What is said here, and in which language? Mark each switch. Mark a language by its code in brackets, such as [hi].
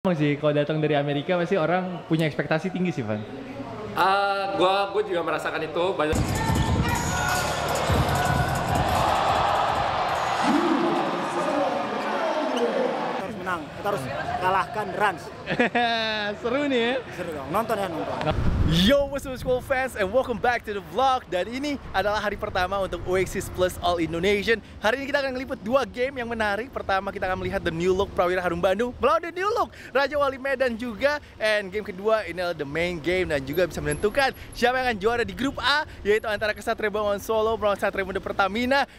[id] Emang sih kalau datang dari Amerika pasti orang punya ekspektasi tinggi sih, Van. Gue juga merasakan itu banyak. Harus menang, kita harus kalahkan runs. Seru nih ya. Seru dong, nonton ya nonton. [en] Yo, what's up school fans, and welcome back to the vlog. [id] Dan ini adalah hari pertama untuk Oasis Plus All Indonesian. Hari ini kita akan meliput dua game yang menarik. Pertama, kita akan melihat [en] the new look [id] Prawira Harum Bandung melawan the new look Raja Wali Medan juga. And game kedua, ini adalah [en] the main game [id] dan juga bisa menentukan siapa yang akan juara di grup A, yaitu antara Kesatria Bangun Solo melawan Satria Muda Pertamina.